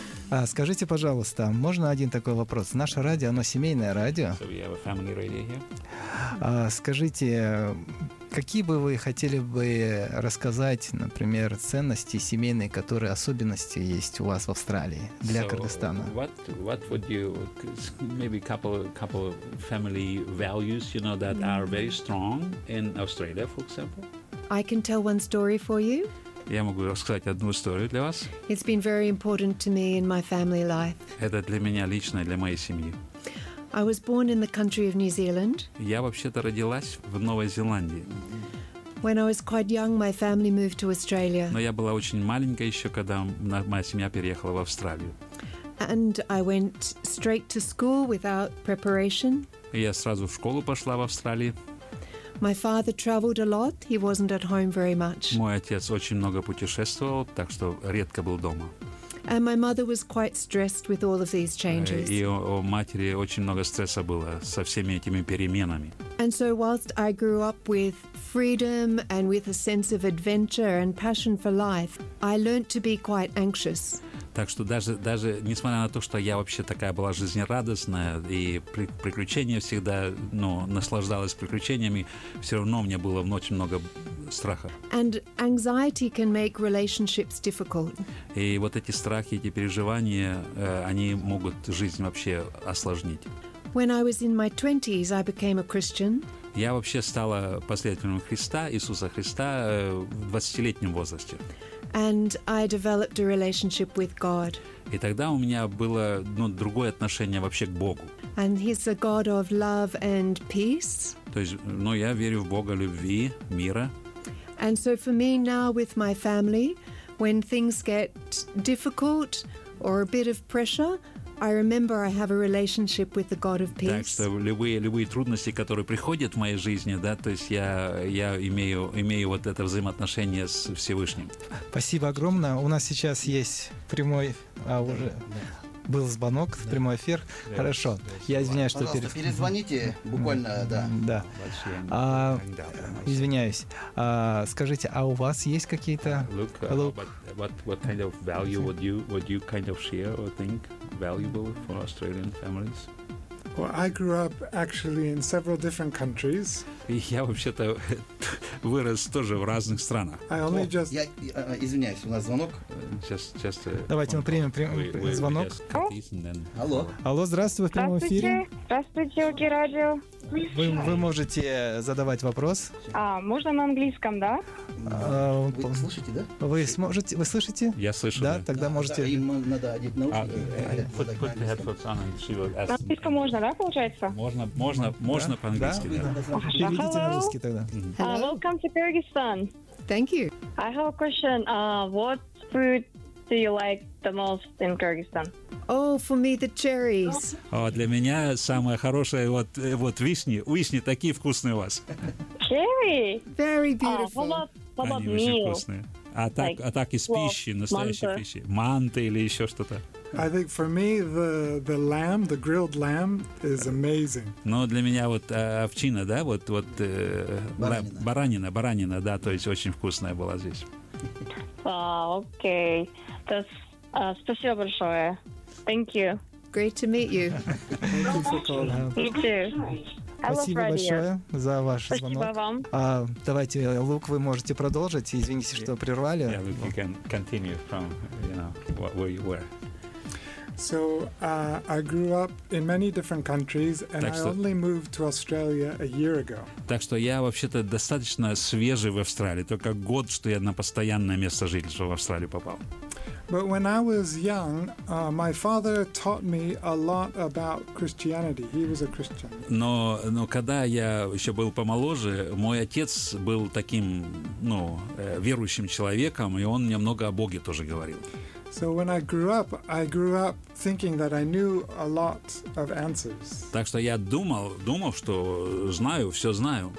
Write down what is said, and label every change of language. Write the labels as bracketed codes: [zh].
[ru] А скажите, пожалуйста, можно один такой вопрос? Наше радио, оно семейное радио. [en] So we have a family radio here. [ru] Скажите, какие бы вы хотели бы рассказать, например, ценности семейные, которые особенности есть у вас в Австралии для Кыргызстана? [en] What would you maybe couple family values, you know, that are very strong in Australia, for example? I can tell one story for you. [ru] Я могу рассказать одну историю для вас. [en] It's been very important to me in my family life. [ru] Это для меня лично, для моей семьи. [en] I was born in the country of New Zealand. [ru] Я вообще-то родилась в Новой Зеландии. [en] When I was quite young, my family moved to Australia. [ru] Но я была очень маленькая еще, когда моя семья переехала в Австралию. [en] And I went straight to school without preparation. [ru] И я сразу в школу пошла в Австралии. [en] My father traveled a lot. He wasn't at home very much. [ru] Мой отец очень много путешествовал, так что редко был дома. [en] And my mother was quite stressed with all of these changes. [ru] И у матери очень много стресса было со всеми этими переменами. [en] And so whilst I grew up with freedom and with a sense of adventure and passion for life, I learned to be quite anxious. [ru] Так что даже несмотря на то, что я вообще такая была жизнерадостная и приключения всегда, ну, наслаждалась приключениями, все равно у меня было очень много страха. [en] And anxiety can make relationships difficult. [ru] И вот эти страхи, эти переживания, они могут жизнь вообще осложнить. [en] When I was in my 20s, I became a Christian. [ru] Я вообще стала последователем Христа, Иисуса Христа, в 20-летнем возрасте. [en] And I developed a relationship with God. [ru] И тогда у меня было, ну, другое отношение вообще к Богу. [en] And he's a God of love and peace. [ru] То есть, ну, я верю в Бога любви, мира. [en] And so for me now with my family, when things get difficult or a bit of pressure, I remember I have a relationship with the God of peace. [ru] Так что любые трудности, которые приходят в моей жизни, да, то есть я имею вот это взаимоотношение с Всевышним. Спасибо огромное. У нас сейчас есть прямой, уже был звонок, да. Прямой эфир. Да. Хорошо. Я извиняюсь, что перезвоните буквально, да. Да. Извиняюсь. Скажите, а у вас есть какие-то? [en] What kind of value would you kind of share or think? Valuable for Australian families? Well, I grew up actually in several different countries. [ru] Я вообще-то вырос тоже в разных странах. [en] I only just... [ru] Я, извиняюсь, у нас звонок. Сейчас, давайте мы примем звонок. Алло. Алло, здравствуйте, в прямом эфире. Здравствуйте, ОК Радио. Вы можете задавать вопрос. А, можно на английском, да? Вы слышите, да? Вы сможете, вы слышите? Я слышу. Да, да. Тогда можете... Да, им надо одеть наушники. [en] Put the headphones on and she will ask. [ru] На английском можно, да, получается? Можно, можно по-английски, да. Переведите на русский тогда. [en] Welcome to Kyrgyzstan. Thank you. I have a question. What food do you like the most in Kyrgyzstan? Oh, for me the cherries. [ru] Oh, для меня самое хорошее вот вишни. Вишни такие вкусные у вас. [en] Cherry. Very beautiful. How about meal? [ru] Очень вкусные. А так из пищи, настоящей пищи. Манты или еще что-то. [en] I think for me the lamb, the grilled lamb is amazing. [ru] Но для меня вот овчина, да, вот баранина, да, то есть очень вкусная была здесь. Окей. Спасибо большое. [en] Thank you. Great to meet you. Thank you for calling. You too. [ru] Спасибо большое за ваш Спасибо звонок. Спасибо вам. А, давайте, Лук, вы можете продолжить. Извините, что прервали. [en] Yeah, Luke, you can continue from, you know, where you were. So, I grew up in many different countries, and так I что... only moved to Australia a year ago. [ru] Так что я вообще-то достаточно свежий в Австралии. Только год, что я на постоянное место жительства в Австралии попал. [en] But when I was young, my father taught me a lot about Christianity. He was a Christian. [ru] Но когда я еще был помоложе, мой отец был таким, ну, верующим человеком, и он мне много о Боге тоже говорил. [en] So when I grew up thinking that I knew a lot of answers. [ru] Так что я думал, что знаю, все знаю.